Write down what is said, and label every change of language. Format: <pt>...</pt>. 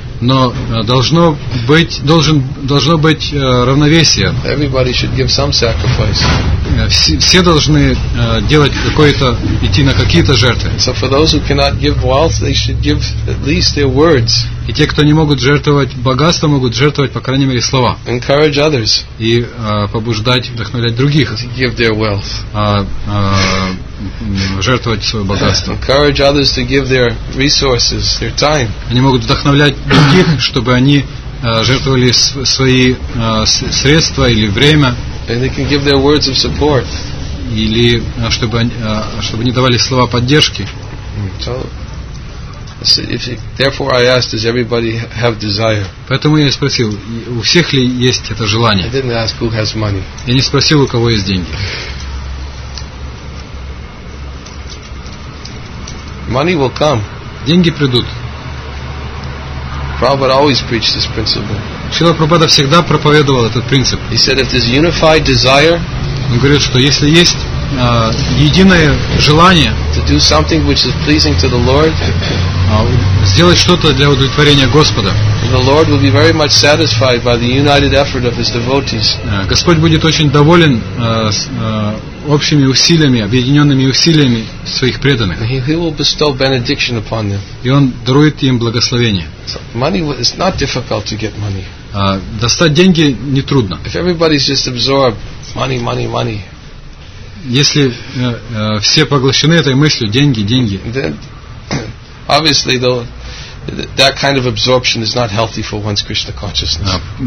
<ru>Но должно быть равновесие.</ru> <en>Everybody should give some sacrifice.</en> <ru>Все должны делать какое-то, идти на какие-то жертвы.</ru> <en>So for those who cannot give wealth, they should give at least their words.</en> <ru>И те, кто не могут жертвовать богатство, могут жертвовать, по крайней мере, слова.</ru> <en>Encourage others.</en> <ru>И побуждать, вдохновлять других.</ru> <en>To give their wealth.</en> <ru>Жертвовать свое богатство.</ru> <en>Encourage others to give their resources, their time.</en> <ru>Они могут вдохновлять других, чтобы они жертвовали свои средства или время.</ru> <en>And they can give their words of support.</en> <ru>Или чтобы они давали слова поддержки.</ru> <en>So, therefore I asked, does everybody have desire?</en> <ru>Поэтому я спросил, у всех ли есть это желание?</ru> <en>I didn't ask who has money.</en> <ru>Я не спросил, у кого есть деньги.</ru> <en>Money will come.</en> <ru>Деньги придут.</ru> <en>Prabhupada always preached this principle.</en> <ru>Шрила Прабхупада всегда проповедовал этот принцип.</ru> <en>He said, if there's unified desire,</en> <ru>он говорит, что если есть единое желание</ru> <en>to do something which is pleasing to the Lord,</en> <ru>сделать что-то для удовлетворения Господа,</ru> <en>the Lord will be very much satisfied by the united effort of his devotees.</en> <ru>Господь будет очень доволен общими усилиями, объединенными усилиями своих преданных.</ru> <en>He will bestow benediction upon them.</en> <ru>И он дарует им благословение.</ru> <en>Money is not difficult to get money.</en> <ru>Достать деньги не трудно.</ru> <en>If everybody's just absorbed money.</en> <ru>Если все поглощены этой мыслью, деньги.</ru> <en>Then, obviously, though, that kind of absorption is not healthy for one's Krishna consciousness.</en>